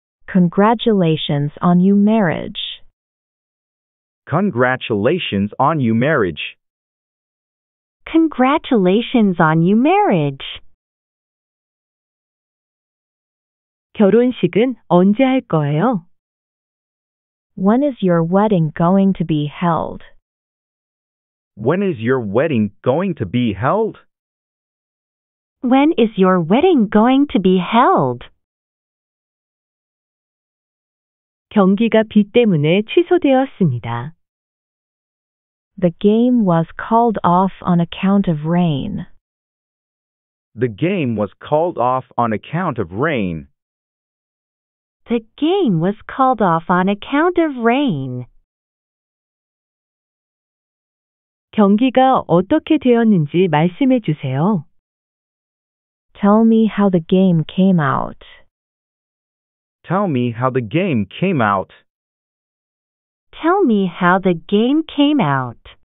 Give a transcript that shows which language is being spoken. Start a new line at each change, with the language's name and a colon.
English: Congratulations on your marriage. Congratulations on your marriage. Congratulations on your marriage.
Korean: 결혼식은 언제 할 거예요?
English: When is your wedding going to be held? When is your wedding going to be held? When is your wedding going to be held?
Korean: 경기가 비 때문에 취소되었습니다.
English: The game was called off on account of rain. The game was called off on account of rain. The game was called off on account of rain.
Korean: 경기가 어떻게 되었는지 말씀해 주세요.
English: Tell me how the game came out. Tell me how the game came out. Tell me how the game came out.